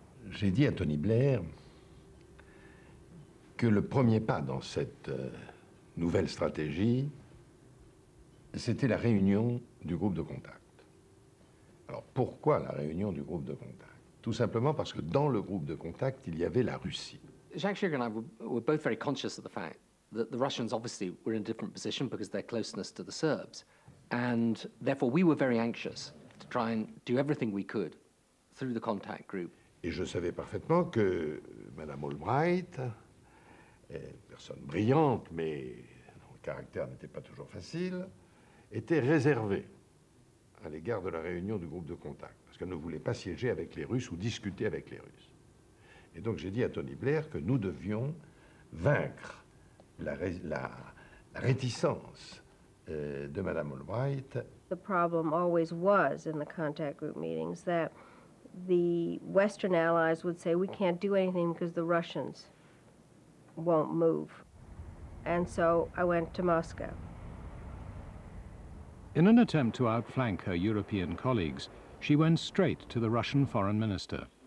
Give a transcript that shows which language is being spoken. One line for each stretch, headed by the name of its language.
French: J'ai dit à Tony Blair que le premier pas dans cette nouvelle stratégie, c'était la réunion du groupe de contact. Alors pourquoi la réunion du groupe de contact? Tout simplement parce que dans le groupe de contact, il y avait la Russie.
English: Jacques Chirac and I were both very conscious of the fact that the Russians obviously were in a different position because of their closeness to the Serbs. And therefore we were very anxious to try and do everything we could through the contact group.
French: Et je savais parfaitement que Madame Albright, personne brillante, mais dont le caractère n'était pas toujours facile, était réservée à l'égard de la réunion du groupe de contact, parce qu'elle ne voulait pas siéger avec les Russes ou discuter avec les Russes. Et donc j'ai dit à Tony Blair que nous devions vaincre la réticence de Madame Albright.
English: The problem always was in the contact group meetings that the Western allies would say, we can't do anything because the Russians won't move. And so I went to Moscow. In an attempt to outflank her European colleagues, she went straight to the Russian foreign minister.